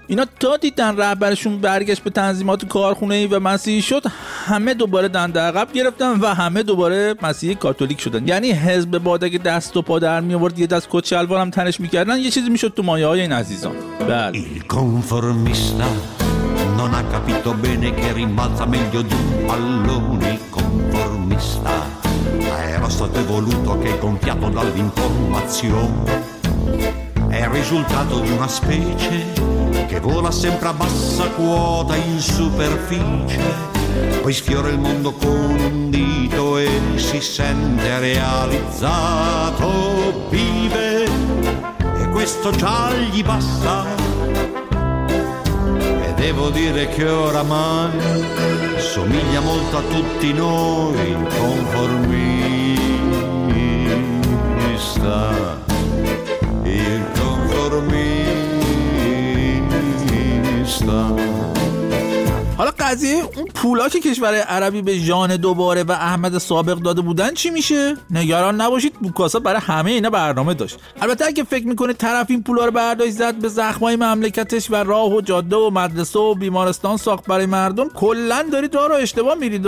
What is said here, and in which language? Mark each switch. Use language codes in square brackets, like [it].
[fa] اینا تا دیدن رهبرشون برگشت به تنظیمات کارخونه‌ای و مسیحی شد، همه دوباره دنده عقب گرفتن و همه دوباره مسیحی کاتولیک شدن. یعنی حزب باد اگه دست و پا در می آورد یه دست کت شلوار هم تنش میکردن، یه چیزی میشد تو مایه های این عزیزان. بله [it] Non ha capito bene che rimbalza meglio di un pallone il conformista. Ma era stato evoluto che è gonfiato dall'informazione. È il risultato di una specie che vola sempre a bassa quota in superficie. Poi sfiora il mondo con un dito e si sente realizzato. Vive e questo già gli basta. Devo dire che oramai somiglia molto a tutti noi il conformista, il conformista. [fa] حالا قضیه اون پولاش کشور عربی به جان دوباره و احمد سابق داده بودن چی میشه؟ نگران نباشید، بوکاسا برای همه اینا برنامه داشت. البته اگه فکر میکنه طرف این پولا رو برداشت زد به زخمای مملکتش و راه و جاده و مدرسه و بیمارستان ساخت برای مردم، کلن دارید راه رو اشتباه میرید.